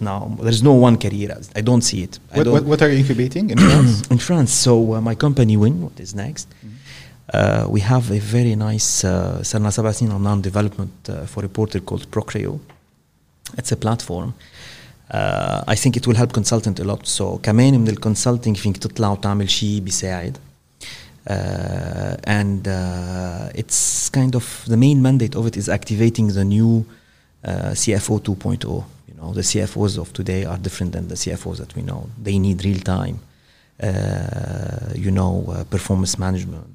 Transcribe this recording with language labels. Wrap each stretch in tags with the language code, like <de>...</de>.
<en>Now there's no one career. I don't see it. What are you incubating in France? In France, so my company Win. What is next? We have a very nice Sarna Sabasin on non-development for a portal called Procreo. It's a platform. I think it will help consultant a lot.</en> <ar>So, كمان من ال consulting فيك تطلع وتعمل شيء بيساعد.</ar> <en>And it's kind of the main mandate of it is activating the new CFO 2.0. You know, the CFOs of today are different than the CFOs that we know. They need real time. Performance management.</en>